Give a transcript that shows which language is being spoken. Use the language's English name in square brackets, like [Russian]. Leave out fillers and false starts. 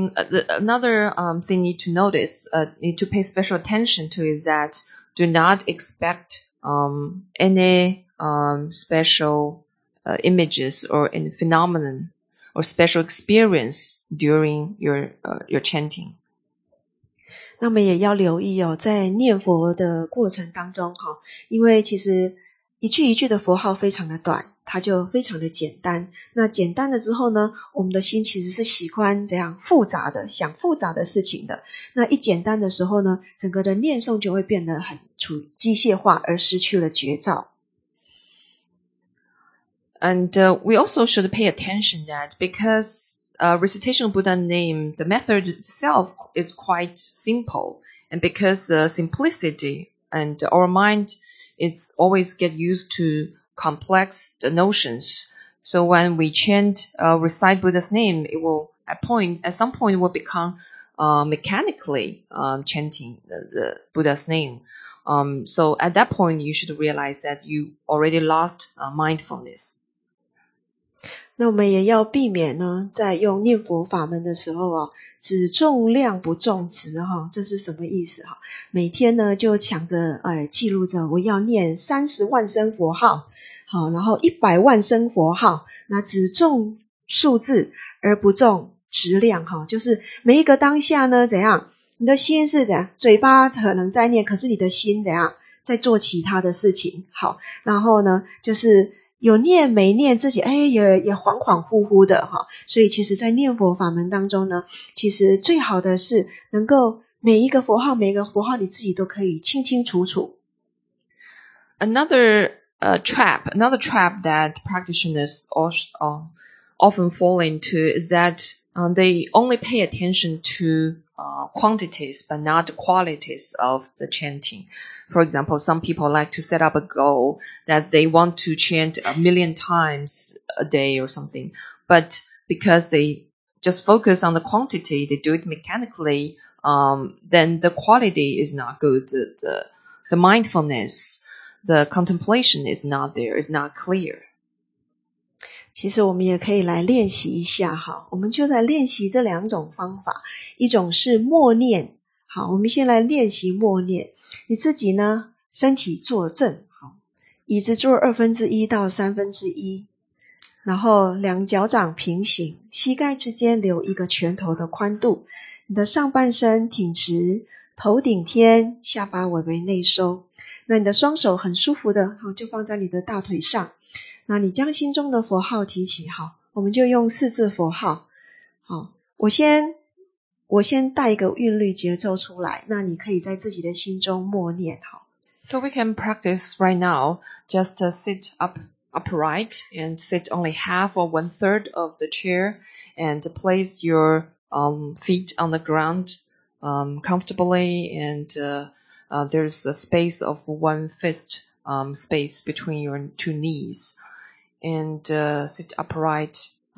[English] Another thing need to notice, need to pay special attention to is that do not expect any special images or any phenomenon or special experience during your chanting. [Chinese] 那么也要留意哦，在念佛的过程当中，因为其实一句一句的佛号非常的短，它就非常的简单。那简单了之后呢，我们的心其实是喜欢这样复杂的，想复杂的事情的。那一简单的时候呢，整个的念诵就会变得很机械化，而失去了觉照。 [English] And we also should pay attention that becauseRecitation of Buddha name, the method itself is quite simple, and because the simplicity and our mind is always get used to complex notions, so when we chant, recite Buddha's name, it will at some point we'll become mechanically chanting the Buddha's name. So at that point, you should realize that you already lost mindfulness. [Chinese] 那我们也要避免呢，在用念佛法门的时候啊，只重量不重质哈，这是什么意思哈？每天呢就抢着记录着我要念300,000声佛号，好，然后100,000声佛号，那只重数字而不重质量哈，就是每一个当下呢怎样，你的心是怎样，嘴巴可能在念，可是你的心怎样在做其他的事情，好，然后呢就是。有念没念自己也恍恍惚惚的齁。所以其实在念佛法门当中呢，其实最好的是能够每一个佛号你自己都可以清清楚楚。 [English] Another trap that practitioners often fall into is that they only pay attention to quantities but not the qualities of the chanting. For example, some people like to set up a goal that they want to chant 1,000,000 times a day or something. But because they just focus on the quantity, they do it mechanically, then the quality is not good. The mindfulness, the contemplation is not there, is not clear. [Chinese] 其实我们也可以来练习一下哈，我们就来练习这两种方法，一种是默念。好，我们先来练习默念。你自己呢身体坐正，好，椅子坐1/2到1/3，然后两脚掌平行，膝盖之间留一个拳头的宽度，你的上半身挺直，头顶天，下巴微微内收，那你的双手很舒服的就放在你的大腿上，那你将心中的佛号提起，好，我们就用四字佛号，好，我先带一个韵律节奏出来，那你可以在自己的心中默念。好， [English] So we can practice right now. Just sit upright and sit only half or 1/3 of the chair and place your feet on the ground comfortably and there's a space of 1 fist space between your 2 knees and sit upright